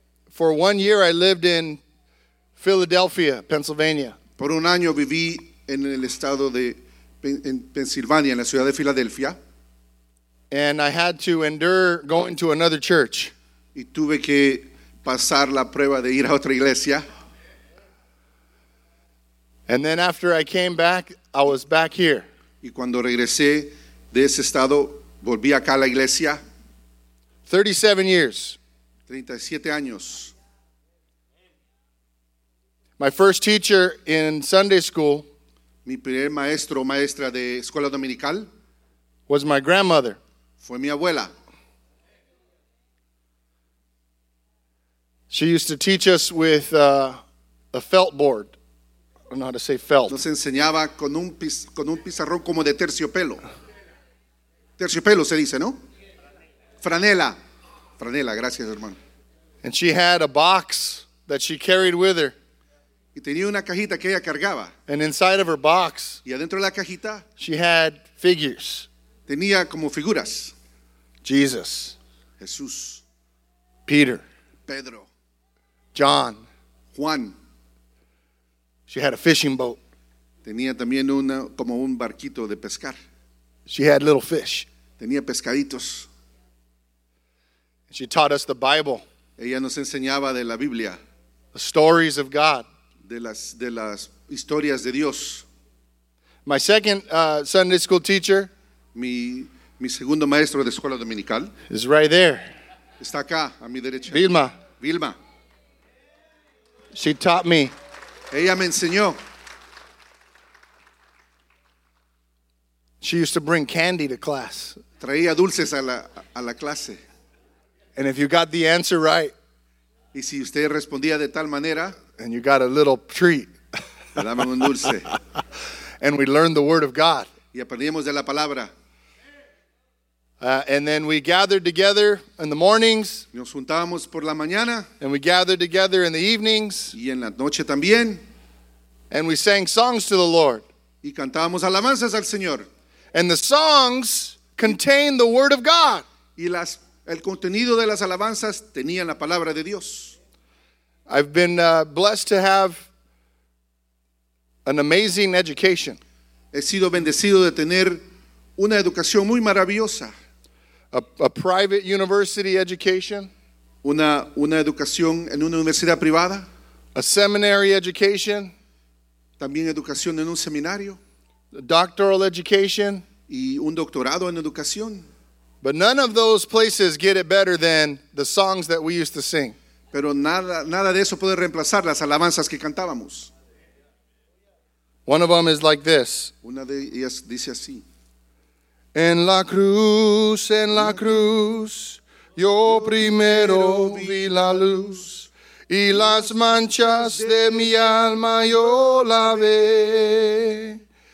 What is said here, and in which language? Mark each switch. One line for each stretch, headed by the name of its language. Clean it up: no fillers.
English: For 1 year I lived in Philadelphia, Pennsylvania.
Spanish: Por un año viví en el estado de Pensilvania, en la ciudad de Filadelfia.
English: And I had to endure going to another church.
Spanish: Y tuve que pasar la prueba de ir a otra iglesia.
English: And then after I came back, I was back here.
Spanish: Y cuando regresé de ese estado, volví acá a la iglesia.
English: 37 years.
Spanish: 37 años.
English: My first teacher in Sunday school,
Spanish: mi primer maestro o maestra de escuela dominical,
English: was my grandmother.
Spanish: Fue mi abuela.
English: She used to teach us with a felt board. I don't know how to say felt.
Spanish: Nos enseñaba con un pizarrón como de terciopelo. Terciopelo se dice, ¿no? Franela. Franela, gracias, hermano.
English: And she had a box that she carried with her.
Spanish: Y tenía una cajita que ella cargaba.
English: And inside of her box,
Spanish: y adentro de la cajita,
English: she had figures.
Spanish: Tenía como figuras.
English: Jesus.
Spanish: Jesús.
English: Peter.
Spanish: Pedro.
English: John.
Spanish: Juan.
English: She had a fishing boat.
Spanish: Tenía también una, como un barquito de pescar.
English: She had little fish.
Spanish: Tenía pescaditos.
English: She taught us the Bible.
Spanish: Ella nos enseñaba de la Biblia.
English: The stories of God.
Spanish: De las historias de Dios.
English: My second Sunday school teacher.
Spanish: Mi segundo maestro de escuela dominical.
English: Is right there.
Spanish: Está acá, a mi derecha.
English: Vilma.
Spanish: Vilma.
English: She taught me.
Spanish: Ella me enseñó.
English: She used to bring candy to class.
Spanish: Traía dulces a la clase.
English: And if you got the answer right,
Spanish: y si usted respondía de tal manera,
English: and you got a little treat,
Spanish: le daban un dulce.
English: And we learned the word of God.
Spanish: Y aprendíamos de la palabra.
English: And then we gathered together in the mornings.
Spanish: Nos juntábamos por la mañana.
English: And we gathered together in the evenings.
Spanish: Y en la noche también.
English: And we sang songs to the Lord.
Spanish: Y cantábamos alabanzas al Señor.
English: And the songs contained the word of God.
Spanish: Y las el contenido de las alabanzas tenía la palabra de Dios.
English: I've been blessed to have an amazing education.
Spanish: He sido bendecido de tener una educación muy maravillosa.
English: A private university education.
Spanish: Una educación en una universidad privada.
English: A seminary education.
Spanish: También educación en un seminario.
English: A doctoral education.
Spanish: Y un doctorado en educación.
English: But none of those places get it better than the songs that we used to sing.
Spanish: Pero nada de eso puede reemplazar las alabanzas que cantábamos.
English: One of them is like this.
Spanish: Una de ellas dice así. En la cruz, yo primero vi la luz, y las manchas de mi alma yo lavé.